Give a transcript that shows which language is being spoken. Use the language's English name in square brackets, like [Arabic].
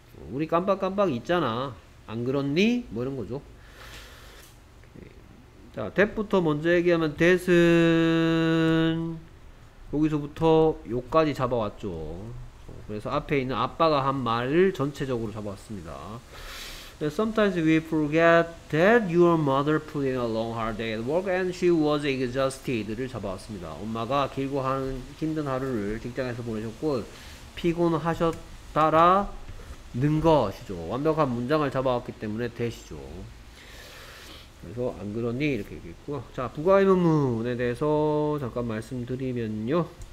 [Korean] 우리 깜빡깜빡 있잖아. 안 그렇니? 뭐 이런 거죠. 자, that부터 먼저 얘기하면 that은 여기서부터 요까지 잡아왔죠. 그래서 앞에 있는 아빠가 한 말을 전체적으로 잡아왔습니다. [English] Sometimes we forget that your mother put in a long hard day at work and she was exhausted [Korean] 를 잡아왔습니다. 엄마가 길고 힘든 하루를 직장에서 보내셨고 피곤하셨다라 는 것이죠. 완벽한 문장을 잡아왔기 때문에 되시죠. 그래서 안 그러니 이렇게 얘기했고요. 자, 부가의문문에 대해서 잠깐 말씀드리면요.